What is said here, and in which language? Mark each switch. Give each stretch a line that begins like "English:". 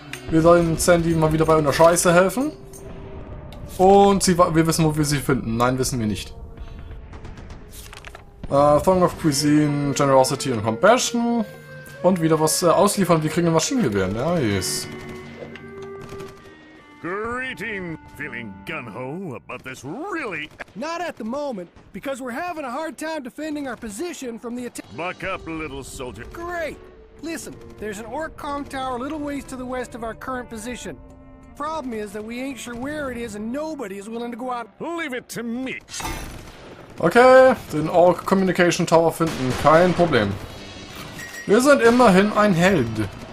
German: Wir sollen Sandy mal wieder bei einer Scheiße helfen. Und wir wissen, wo wir sie finden. Nein, wissen wir nicht. Thong of Cuisine, Generosity und Compassion. Und wieder was ausliefern, wir kriegen ein Maschinengewehr.
English: Nice. Greeting. Feeling gung-ho about this, really? Not at the moment, because we're having a hard time defending our position from the attack. Buck up, little soldier. Great. Listen, there's an Orc comm tower a little ways to the west of our current position. Problem is that we ain't sure where it is and nobody is willing to go out. Leave it to me.
German: Okay, den Orc Communication Tower finden, kein Problem. Wir sind immerhin ein Held.